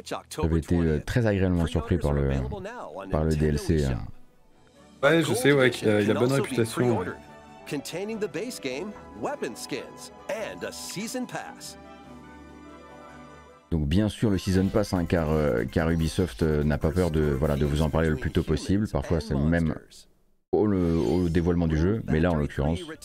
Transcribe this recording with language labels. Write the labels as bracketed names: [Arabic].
[French] J'avais été très agréablement surpris par le DLC. Ouais, je sais, ouais, qu'il a bonne réputation. [English] Containing the base game, weapon skins, and a season pass. [French] Donc bien sûr le season pass, hein, car Ubisoft n'a pas peur de, voilà, de vous en parler le plus tôt possible. Parfois c'est même au dévoilement du jeu, mais là en l'occurrence.